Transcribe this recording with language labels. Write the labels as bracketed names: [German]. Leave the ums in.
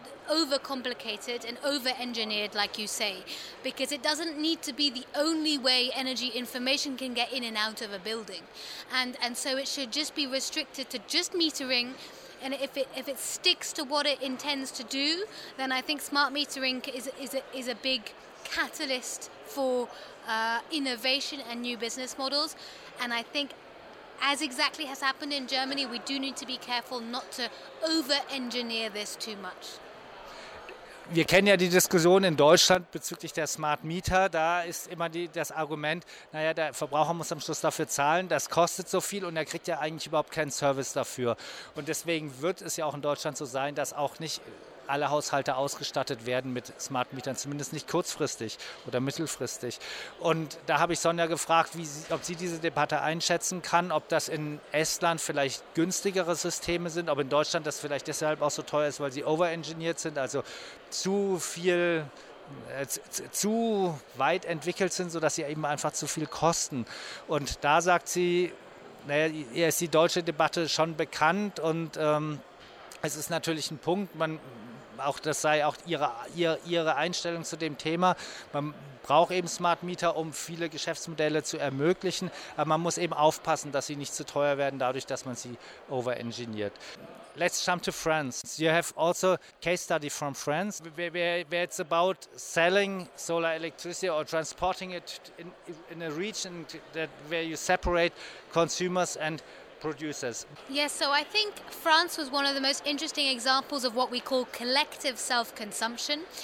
[English] overcomplicated and over-engineered, like you say, because it doesn't need to be the only way energy information can get in and out of a building, and and so it should just be restricted to just metering and if it if it sticks to what it intends to do, then I think smart metering is is a, is a big catalyst for uh, innovation and new business models, and I think. As exactly has happened in Germany, we do need to be careful not to over engineer this too much. [German] Wir kennen ja die Diskussion in Deutschland bezüglich der Smart Mieter. Da ist immer die, das Argument, naja, der Verbraucher muss am Schluss dafür zahlen, das kostet so viel und er kriegt ja eigentlich überhaupt keinen Service dafür. Und deswegen wird es ja auch in Deutschland so sein, dass auch nicht alle Haushalte ausgestattet werden mit Smart Mietern, zumindest nicht kurzfristig oder mittelfristig. Und da habe ich Sonja gefragt, sie, ob sie diese Debatte einschätzen kann, ob das in Estland vielleicht günstigere Systeme sind, ob in Deutschland das vielleicht deshalb auch so teuer ist, weil sie overengineert sind, also zu viel äh, zu weit entwickelt sind, sodass sie eben einfach zu viel kosten. Und da sagt sie, naja, ihr ist die deutsche Debatte schon bekannt und ähm, es ist natürlich ein Punkt, man, auch das sei auch ihre, ihre, ihre Einstellung zu dem Thema. Man braucht eben Smart Mieter, um viele Geschäftsmodelle zu ermöglichen, aber man muss eben aufpassen, dass sie nicht zu teuer werden, dadurch, dass man sie overengineert. [English] Let's jump to France. You have also case study from France, where, where, where it's about selling solar electricity or transporting it in, in a region that where you separate consumers and producers. Yes, so I think France was one of the most interesting examples of what we call collective self consumption.